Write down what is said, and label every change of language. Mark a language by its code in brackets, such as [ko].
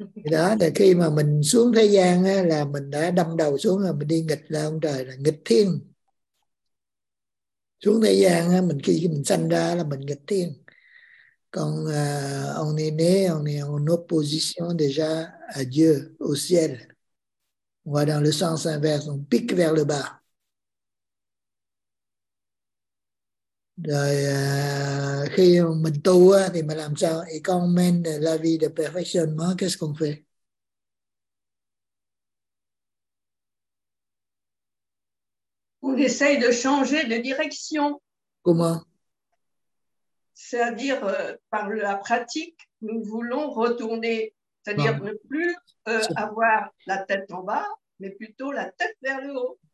[vi] Đó là khi mà mình xuống thế gian á, là mình đã đâm đầu xuống rồi, mình đi nghịch là ông trời, là nghịch thiên. Xuống thế gian á, mình khi mình sanh ra là mình nghịch thiên. Còn [fr] on est né, on est en opposition déjà à Dieu, au ciel. On va dans le sens inverse, on pique vers le bas. [vi] Rồi khi mình tu thì mình làm sao? [fr] Et quand on mène de la vie de perfectionnement, qu'est-ce qu'on fait? On essaye de changer de direction. Comment? C'est-à-dire, par la pratique, nous voulons retourner, c'est-à-dire ne plus avoir la tête en bas, mais plutôt la tête vers le haut.